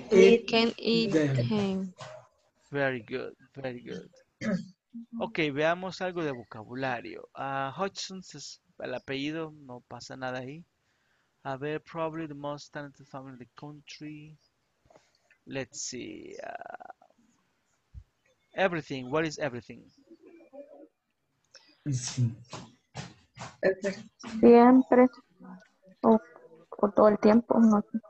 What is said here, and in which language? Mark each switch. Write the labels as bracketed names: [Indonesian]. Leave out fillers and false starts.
[English] She can bake the best cakes in the world, and her parents and brother and sister can eat them. Very good. [Spanish] Ok, veamos algo de vocabulario. Hodgson es el apellido, no pasa nada ahí. A ver, [English] probably the most talented family in the country. Let's see. Everything. What is everything? Let's see. [Spanish] Siempre. O todo el tiempo. No.